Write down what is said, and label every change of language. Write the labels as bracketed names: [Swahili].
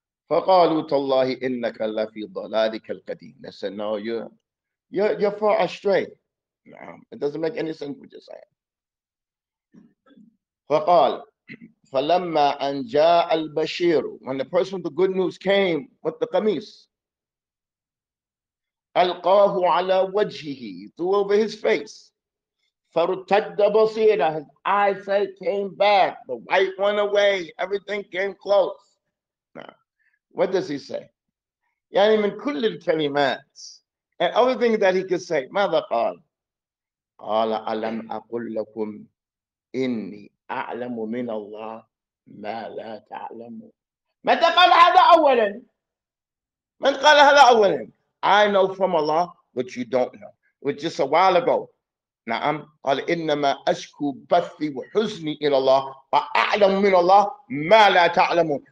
[Arabic] فقالوا تالله إنك لفي ضلالك القديم. [English] They said, no, you're far astray. [Arabic] نعم. [English] It doesn't make any sense what you're saying. [Arabic] فقال فلما أن جاء البشير, [English] when the person with the good news came with the قميص, [Arabic] ألقاه على وجهه, [English] threw over his face, [Arabic] فارتد بصيره, [English] his eyesight came back, the white went away, everything came close. What does he say? [Arabic] يعني من كل الكلمات. [English] And other things that he could say. [Arabic] ماذا قال? قال ألم أقول لكم إني أعلم من الله ما لا تعلمون. متى قال هذا أولا? من قال هذا أولا? [English] I know from Allah what you don't know. Which just a while ago. نعم. [Arabic] قال إنما أشكو بثي وحزني إلى الله وأعلم من الله ما لا تعلمون.